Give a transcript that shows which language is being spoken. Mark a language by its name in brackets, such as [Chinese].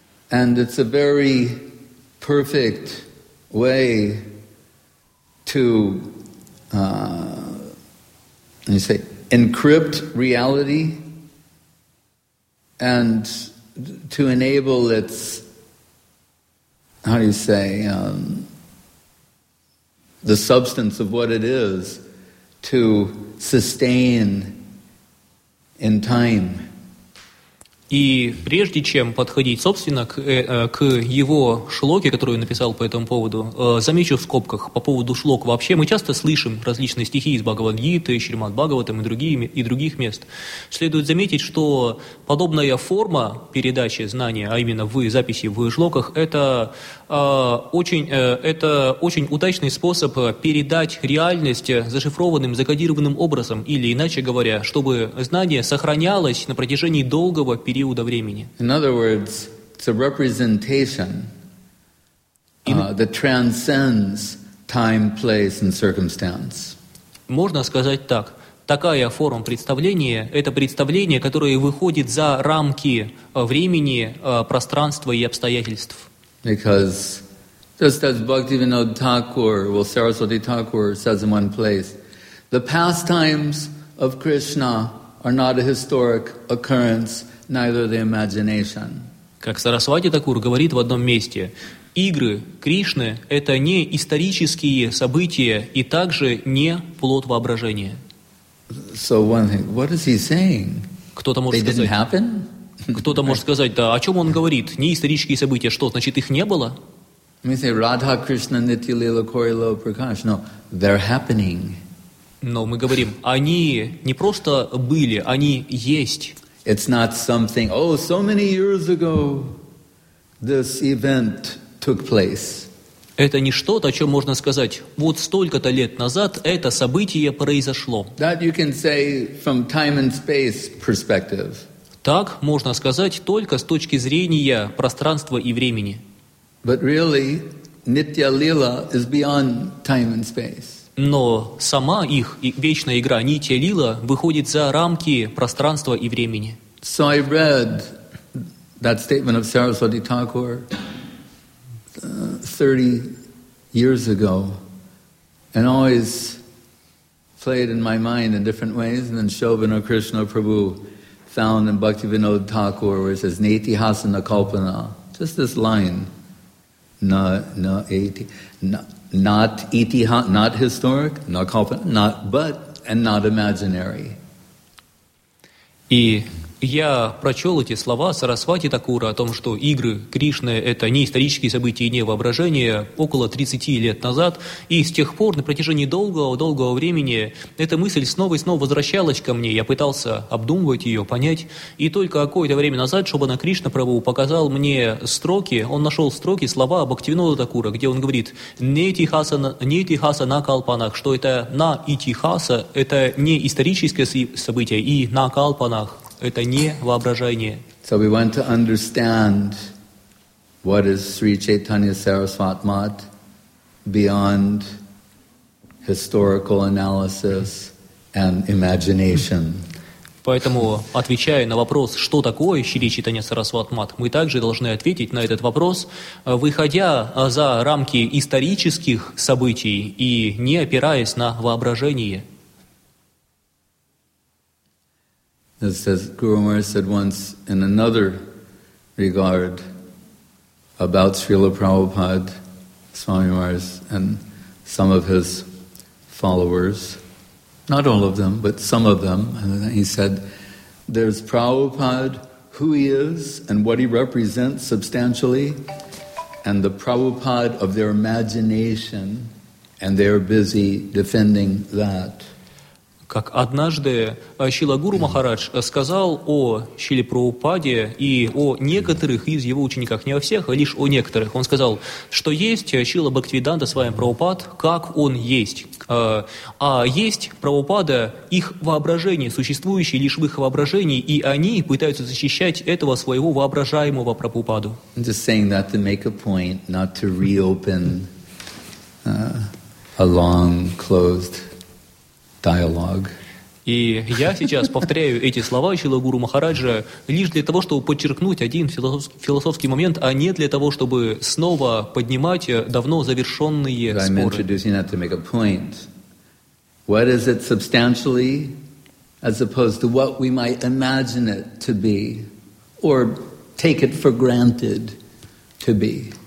[English] And it's a very perfect way to, you say, encrypt reality and to enable its, the substance of what it is to sustain in time. [Russian] И прежде чем подходить, собственно, к его шлоке, который он написал по этому поводу, замечу в скобках по поводу шлок вообще. Мы часто слышим различные стихи из Бхагавад-гиты, Шримад Бхагаватам и других мест. Следует заметить, что подобная форма передачи знания, а именно в записи в шлоках, это очень удачный способ передать реальность зашифрованным, закодированным образом, или иначе говоря, чтобы знание сохранялось на протяжении долгого периода. [English] In other words, it's a representation that transcends time, place, and circumstance. [Russian] Можно сказать так. Такая форма представления – это представление, которое выходит за рамки времени, пространства и обстоятельств. [English] Because Just as Bhaktivinoda Thakur, well, Saraswati Thakur says in one place, the pastimes of Krishna are not a historic occurrence, neither the imagination. [Russian] Как Сарасвати Такур говорит в одном месте, игры Кришны – это не исторические события и также не плод воображения. [English] So one thing, what is he saying? [Russian] Кто-то может сказать, [English] didn't happen? [Russian] Кто-то может сказать, да, о чем он говорит? Не исторические события, что, значит, их не было? [English] We say, [Bangla] Radha Krishna Nitya Lila Kori Lo Prakash. [English] No, they're happening. [Russian] Но мы говорим, они не просто были, они есть. [English] It's not something, oh, so many years ago this event took place. [Russian] Это не что-то, о чем можно сказать, вот столько-то лет назад это событие произошло. [English] That you can say from time and space perspective. [Russian] Так можно сказать только с точки зрения пространства и времени. [English] But really, Nitya Lila is beyond time and space. [Russian] Но сама их вечная игра Нитья Лила выходит за рамки пространства и времени. [English] So I read that statement of Saraswati Thakur 30 years ago and always played in my mind in different ways, and then Shobhana Krishna Prabhu found in Bhaktivinoda Thakur where it says [Sanskrit] Neti Hasana Kalpana, [English] just this line, not historic, not kalpana, not but and not imaginary. [Russian] И я прочел эти слова Сарасвати Такура о том, что игры Кришны — это не исторические события и не воображение, около 30 лет назад, и с тех пор, на протяжении долгого-долгого времени, эта мысль снова и снова возвращалась ко мне, я пытался обдумывать ее, понять, и только какое-то время назад Шобана Кришна Прабу показал мне строки, он нашел строки, слова Бхактивинода Такура, где он говорит [Sanskrit] «Нетихаса на калпанах», [Russian] что это «на итихаса» — это не историческое событие, и «на калпанах». Это не воображение. [English] So we want to understand what is Sri Chaitanya Sarasvatmat beyond historical analysis and imagination. [Russian] Поэтому, отвечая на вопрос, что такое Шри Чайтанья Сарасватмат, мы также должны ответить на этот вопрос, выходя за рамки исторических событий и не опираясь на воображение. [English] It says Guru Maharaj said once in another regard about Srila Prabhupada, Swami Maharaj, and some of his followers, not all of them, but some of them. And he said, there's Prabhupada, who he is and what he represents substantially, and the Prabhupada of their imagination, and they're busy defending that. [Russian] Как однажды Шрила Гуру Махарадж сказал о Шриле Прабхупаде и о некоторых из его учениках, не о всех, а лишь о некоторых. Он сказал, что есть Шрила Бхактивиданта Свами Прабхупад, как он есть. А есть Прабхупада, их воображение, существующее лишь в их воображении, и они пытаются защищать этого своего воображаемого Прабхупаду. [English] I'm just saying that to make a point, not to reopen a long closed dialogue. [Russian] И я сейчас повторяю эти слова Шрилы Гуру Махараджа лишь для того, чтобы подчеркнуть один философский момент, а не для того, чтобы снова поднимать давно завершенные споры. [English] I'm introducing that to make a point. What is it substantially, as opposed to what we might imagine it to be, or take it for granted to be?